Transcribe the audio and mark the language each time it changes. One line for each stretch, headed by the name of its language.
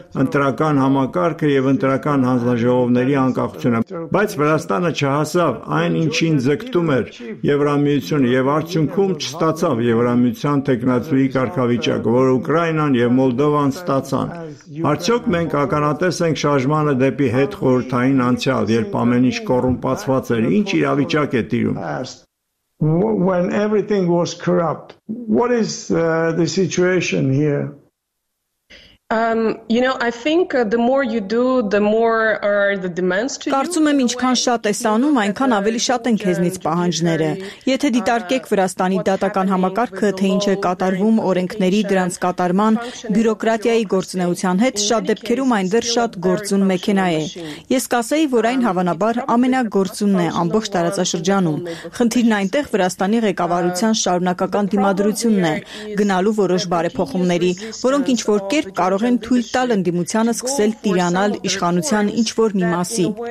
Armenian: ընտրական համակարգը և ընտրական հանձնաժողովների անկախությունը, բայց Վրաստանը չհասավ այն, ինչին ձգտում էր Եվրամիությունը, և արդյունքում չստացավ Եվրամիության տեխնատվի կարգավիճակը, որ Ուկրաինան և Մոլդովան ստացան։ Արդյոք մենք ականատես ենք շարժմանը դեպի հետխորհրդային անցյալ, երբ ամեն ինչ կոռումպացված էր, ինչ իրավիճակ է տիրում։
English: When everything was corrupt, what is the situation here? You know, I think the more you do, the more are the demands to you.
Armenian: Կարծում եմ, ինչքան շատ ես անում, այնքան ավելի շատ են քեզնից պահանջները։ Եթե դիտարկեք Վրաստանի դատական համակարգը, թե ինչ է կատարվում օրենքների դրանց կատարման, բյուրոկրատիայի գործնեության հետ, շատ դեպքերում այն դեռ շատ գործուն մեքենա է։ Ես կասեի, որ այն հավանաբար ամենագործունն է ամբողջ տարածաշրջանում։ Խնդիրն այնտեղ Վրաստանի ղեկավարության շարունակական դիմադրությունն է գնալու որոշ բարեփոխումների, որոնք ինչ որ կերպ կարող են թույլ տալ ընդդիմությանը սկսել տիրանալ իշխանության ինչ-որ մի մասի։